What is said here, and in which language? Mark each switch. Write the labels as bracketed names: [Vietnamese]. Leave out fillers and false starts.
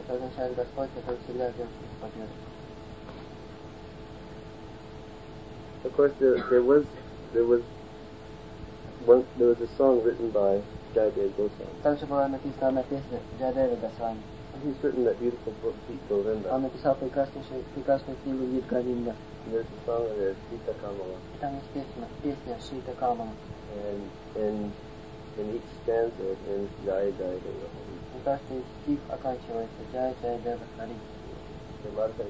[Russian] Это означает Господь, который всегда взял победу. [English] Of course, there was a song written by Jayadeva Goswami. [Russian] Также была написана песня Jayadeva Goswami. [English] And he's written that beautiful book, Gita Govinda. [Russian] Он написал прекрасную книгу Гита Говинда. [English] There's a song there, Sita Kamala. [Russian] Там есть песня Sita Kamala. [English] And each stanza ends Jayadeva. [Russian] Каждый стих оканчивается Джай Джай Дева Хари.